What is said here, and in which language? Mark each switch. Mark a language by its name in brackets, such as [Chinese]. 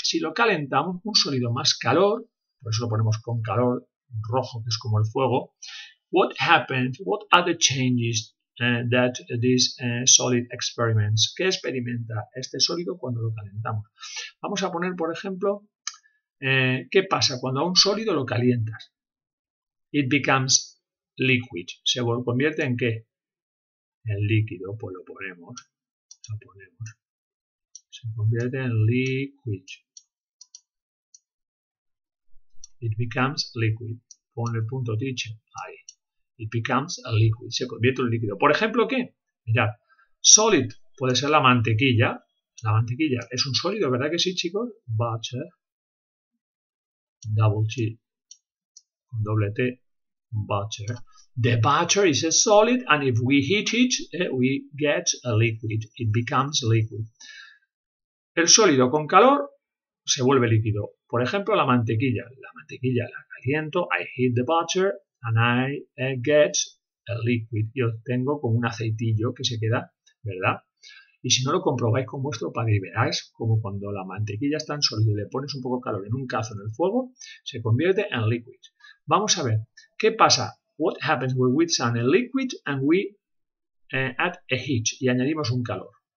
[Spanish] Si lo calentamos, un sólido más calor, por eso lo ponemos con calor, rojo, que es como el fuego. [English] What happens? What are the changes that this solid experiments? [Spanish] ¿Qué experimenta este sólido cuando lo calentamos? Vamos a poner, por ejemplo, ¿qué pasa cuando a un sólido lo calientas? [English] It becomes liquid. [Spanish] ¿Se convierte en qué? En líquido, pues lo ponemos. Lo ponemos. Se convierte en liquid. [English] It becomes liquid. [Spanish] Pon el punto teacher. Ahí. [English] It becomes a liquid. [Spanish] Se convierte en líquido. Por ejemplo, ¿qué? Mirad. Solid puede ser la mantequilla. La mantequilla es un sólido, ¿verdad que sí, chicos? [English] Butter. Double T. [Spanish] Con doble T. [English] Butter. The butter is a solid and if we heat it, we get a liquid. It becomes liquid. [Spanish] El sólido con calor se vuelve líquido. Por ejemplo, la mantequilla. La mantequilla la caliento. [English] I heat the butter and I get a liquid. [Spanish] Yo tengo como un aceitillo que se queda, ¿verdad? Y si no lo comprobáis con vuestro padre, veráis como cuando la mantequilla está en sólido y le pones un poco de calor en un cazo en el fuego, se convierte en liquid. Vamos a ver, ¿qué pasa? [English] What happens when we turn a liquid and we add a heat [Spanish] y añadimos un calor?